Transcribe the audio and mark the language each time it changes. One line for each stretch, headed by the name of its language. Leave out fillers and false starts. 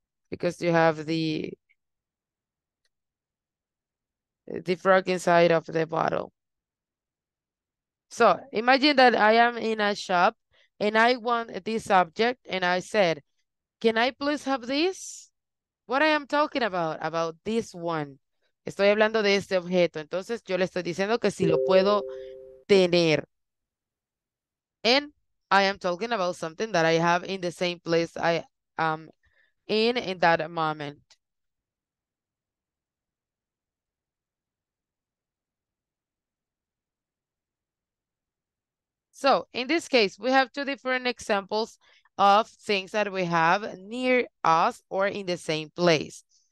English: Because you have the frog inside of the bottle. So imagine that I am in a shop and I want this object and I said, can I please have this? What I am talking about this one.
Spanish: Estoy hablando de este objeto. Entonces yo le estoy diciendo que si lo puedo tener.
English: And I am talking about something that I have in the same place I am in that moment. So in this case, we have two different examples of things that we have near us or in the same place.